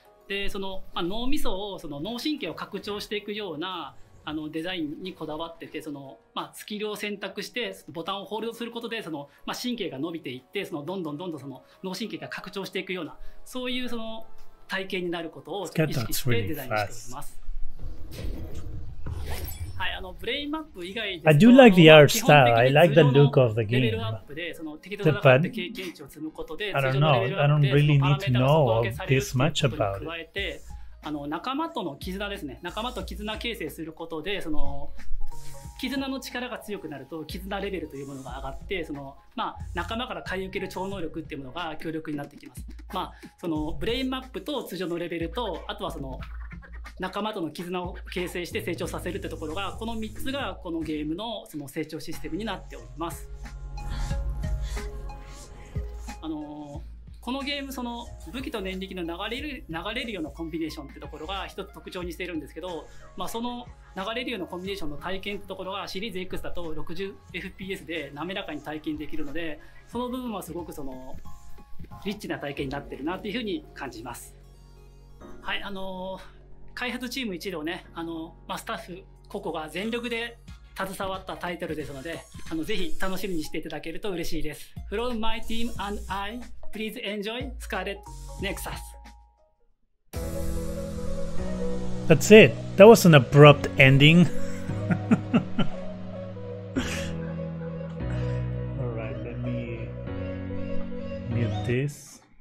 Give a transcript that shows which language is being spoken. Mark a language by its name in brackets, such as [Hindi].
[Japanese] でその、まあ、脳みそをその脳神経を拡張していくようなあのデザインにこだわってて、その、まあ、スキルを選択してボタンをホールドすることでその、まあ、神経が伸びていって、そのどんどんどんどんその脳神経が拡張していくような、そういうその体験になることを意識してデザインしております。はい、あのブレインマップ以外 [English] で、I do like the art style. I like the look of the game. The, but I don't really need to know this much about it. [Japanese] あの仲間との絆ですね。仲間と絆形成することで、その絆の力が強くなると絆レベルというものが上がって、その、まあ、仲間から買い受ける超能力っていうものが強力になってきます。まあ、そのブレインマップと通常のレベルと、あとはその仲間との絆を形成して成長させるってところが、この3つがこのゲームのその成長システムになっております。このゲームその武器と念力の流れるようなコンビネーションってところが一つ特徴にしているんですけど、まあ、その流れるようなコンビネーションの体験ってところがシリーズ X だと 60fps で滑らかに体験できるので、その部分はすごくそのリッチな体験になってるなっていうふうに感じます。はい、開発チーム一同ね、スタッフ個々が全力で携わったタイトルですので、ぜひ楽しみにしていただけると嬉しいです。 [English] From my team and I, please enjoy Scarlet Nexus. That's it. That was an abrupt ending. Alright, let me mute this.